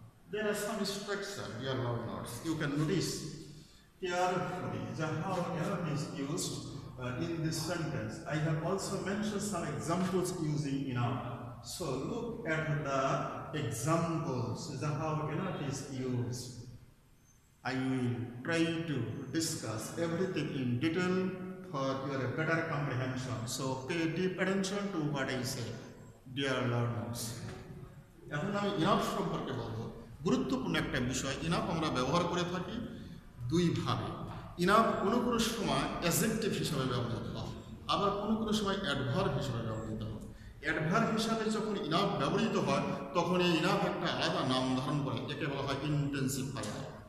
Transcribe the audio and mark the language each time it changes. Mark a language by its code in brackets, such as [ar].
[en] There are some structure dear learners, you can notice carefully how enough is used in this sentence. I have also mentioned some examples using enough. So look at the examples, the how enough is used. I will try to discuss everything in detail for your better comprehension. So pay deep attention to what I say, dear learners. [bn] এখন আমি enough সম্পর্কে বলবো। গুরুত্বপূর্ণ একটা বিষয়, enough আমরা ব্যবহার করে থাকি দুই ভাবে। ইনাফ কোনো কোনো সময় অ্যাজেক্টিভ হিসাবে ব্যবহৃত হয়, আবার কোনো কোনো সময় অ্যাডভার্ব হিসাবে ব্যবহৃত হয়। অ্যাডভার্ব হিসাবে যখন ইনাফ ব্যবহৃত হয় তখন এই ইনাফ একটা আলাদা নাম ধারণ করে, একে বলা হয় ইন্টেন্সিফায়ার।